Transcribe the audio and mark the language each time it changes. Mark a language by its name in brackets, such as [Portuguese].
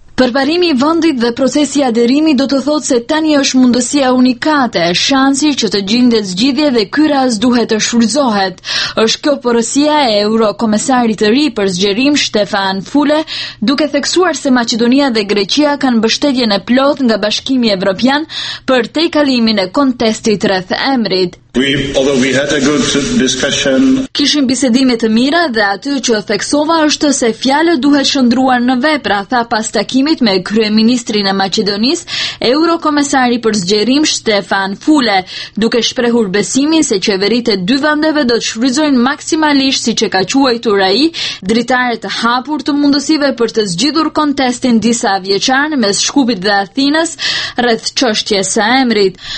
[Albanian] Përparimi i vendit dhe procesi i aderimit do të thotë se tani është mundësia unikate, shansi që të gjendet zgjidhje dhe ky rast duhet të shfrytëzohet. Është kjo porosia e Eurokomisarit të ri për zgjerim Stefan Fule, duke theksuar se Maqedonia dhe Greqia kanë mbështetjen e plotë nga Bashkimi Evropian për tejkalimin e kontestit rreth emrit. [English] Although we had a good discussion. [Albanian] Kishim bisedime të mira dhe aty që theksova është se fjalët duhet shëndruar në vepra, tha pas takimit me kryeministrin e Maqedonisë, Eurokomisari për zgjerim Stefan Fule, duke shprehur besimin se qeveritë e dy vendeve do të shfrytëzojnë maksimalisht, siç e ka quajtur ai, dritare të hapur të mundësive për të zgjidhur kontestin disa vjeçar mes Shkupit dhe Athinës rreth çështjes së emrit.